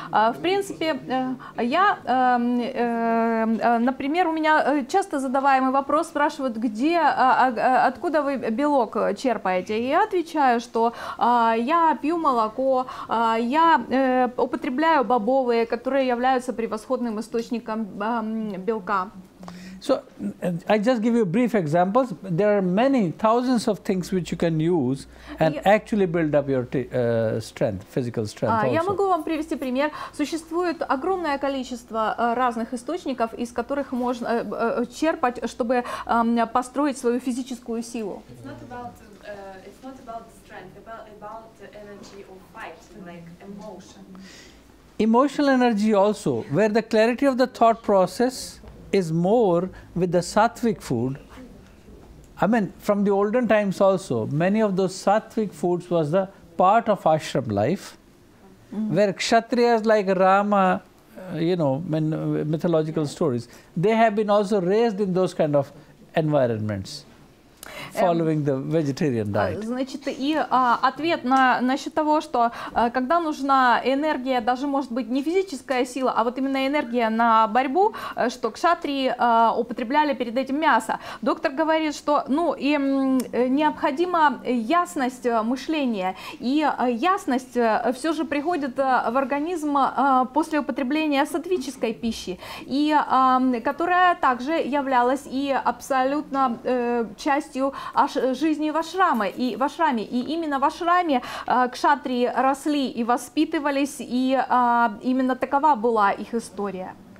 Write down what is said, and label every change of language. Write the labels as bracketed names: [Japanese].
[Russian] В принципе, я, например, у меня часто задаваемый вопрос, спрашивают, где, откуда вы белок черпаете. И я отвечаю, что я пью молоко, я употребляю бобовые, которые являются превосходным источником белка. [English] So I just give you brief examples. There are many thousands of things which you can use and actually build up your strength, physical strength. [Russian] Я могу вам привести пример. Существует огромное количество разных источников, из которых можно черпать, чтобы построить свою физическую силу. [English] It's not about strength, about the energy of fight, like emotion. Emotional energy also, where the clarity of the thought process is more with the sattvic food. I mean, from the olden times also, many of those sattvic foods was the part of ashram life, mm-hmm. where kshatriyas like Rama, you know, in mythological stories, they have been also raised in those kind of environments. Following the vegetarian diet. [Russian] Значит, и ответ насчет того, что когда нужна энергия, даже может быть не физическая сила, а вот именно энергия на борьбу, что кшатрии употребляли перед этим мясо. Доктор говорит, что необходима ясность мышления, и ясность все же приходит в организм после употребления сатвической пищи, и которая также являлась и абсолютно частью жизни в ашраме, и именно в ашраме кшатрии росли и воспитывались, и именно такова была их история.